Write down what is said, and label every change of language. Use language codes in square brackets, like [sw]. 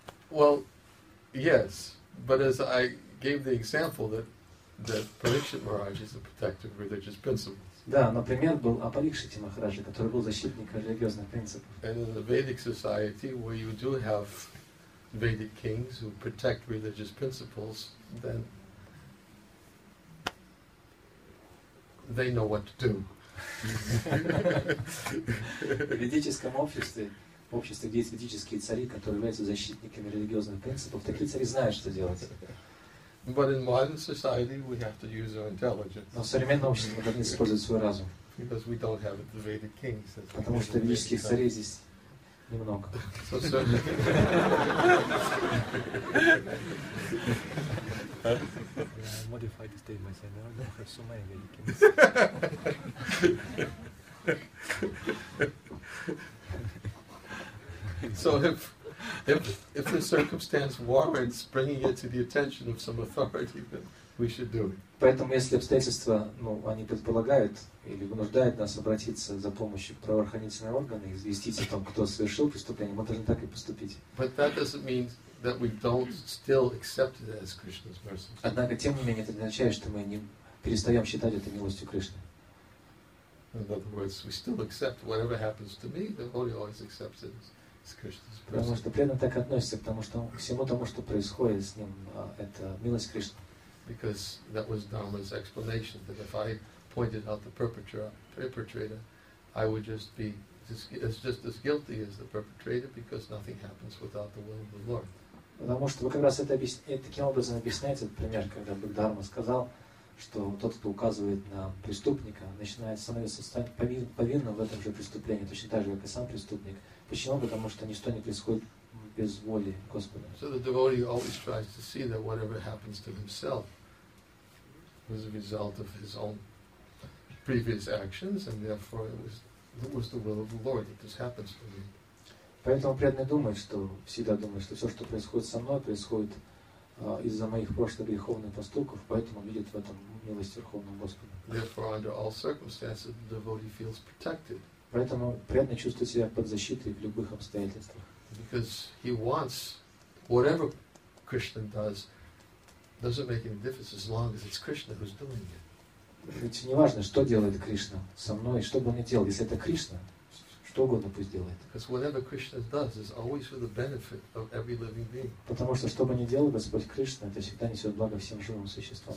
[en] Well, yes, but as I gave the example that Parikshit Maharaj is the protector of religious principles. [ru] Да, но пример был о Парикшите Махарадже, который был защитником религиозных принципов. [en] And in the Vedic society, where you do have Vedic kings who protect religious principles, then they know what to do. [ru] В ведическом обществе в обществе, где есть ведические цари, которые являются защитниками религиозных принципов, такие цари знают, что делать. [en] But in modern society we have to use our intelligence. [ru] Но в современном обществе мы должны использовать свой разум. [en] Because we don't have the Vedic kings. [ru] Потому что ведических царей здесь немного. [en] So certainly. Yeah, I modified the statement. I don't have so many Vedic kings. So if the circumstance warrants bringing it to the attention of some authority, then we should do it. [ru] Поэтому если обстоятельства, ну, они предполагают или вынуждают нас обратиться за помощью к правоохранительным органам и известить о том, кто совершил преступление, мы должны так и поступить. [en] But that doesn't mean that we don't still accept it as Krishna's mercy. [ru] Однако тем не менее это не означает, что мы не перестаем считать это милостью Кришны. [en] In other words, we still accept whatever happens to me. The devotee always accepts it as Krishna's mercy. [ru] Потому что преданный так относится, потому что всему тому, что происходит с ним, это милость Кришны. [en] Because that was Dharma's explanation that if I pointed out the perpetrator, I would just be just as guilty as the perpetrator because nothing happens without the will of the Lord. [ru] Потому что вы как раз это таким образом объясняете, например, когда Бхагдарма сказал, что тот, кто указывает на преступника, начинает становиться повинным в этом же преступлении, точно так же, как и сам преступник. Почему? Потому что ничто не происходит без воли Господа. [en] So the devotee always tries to see that whatever happens to himself was a result of his own previous actions, and therefore it was the will of the Lord that this happens to me. [ru] Поэтому преданный думает, что всегда думает, что все, что происходит со мной, происходит из-за моих прошлых греховных поступков, поэтому видит в этом милость Верховного Господа. [en] Therefore, under all circumstances, the devotee feels protected. [ru] Поэтому преданный чувствует себя под защитой в любых обстоятельствах. [en] Because he wants whatever Krishna does doesn't make any difference as long as it's Krishna who's doing it. [ru] Ведь не важно, что делает Кришна со мной, что бы он ни делал, если это Кришна, что угодно пусть делает. [en] Because whatever Krishna does is always for the benefit of every living being. [ru] Потому что что бы ни делал Господь Кришна, это всегда несет благо всем живым существам.